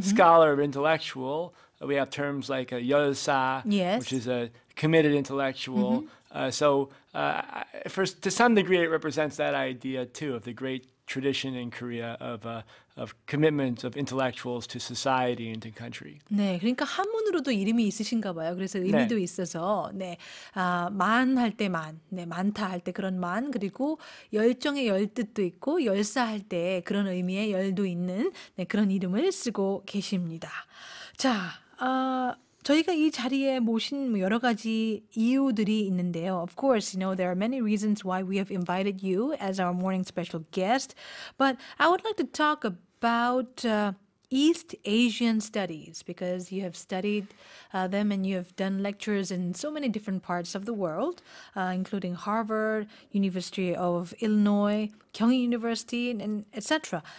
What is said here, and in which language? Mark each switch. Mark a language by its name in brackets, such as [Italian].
[English] scholar or intellectual. We have terms like 열사, yes. which is a committed intellectual. Mm-hmm. To some degree, it represents that idea too of the great tradition in Korea of commitment of intellectuals to society and to country. [Korean] 네, 그러니까 한문으로도 이름이 있으신가 봐요. 그래서 의미도 네. 있어서 네, 아, 만 할 때 만, 네, 많다 할 때 그런 만, 그리고 열정의 열 뜻도 있고 열사 할 때 그런 의미의 열도 있는 네, 그런 이름을 쓰고 계십니다. 자, 아. 저희가 이 자리에 모신 여러 가지 이유들이 있는데요. [English] Of course, you know, there are many reasons why we have invited you as our morning special guest. But I would like to talk about East Asian studies because you have studied them and you have done lectures in so many different parts of the world, including Harvard, University of Illinois, Kyung University, and etc.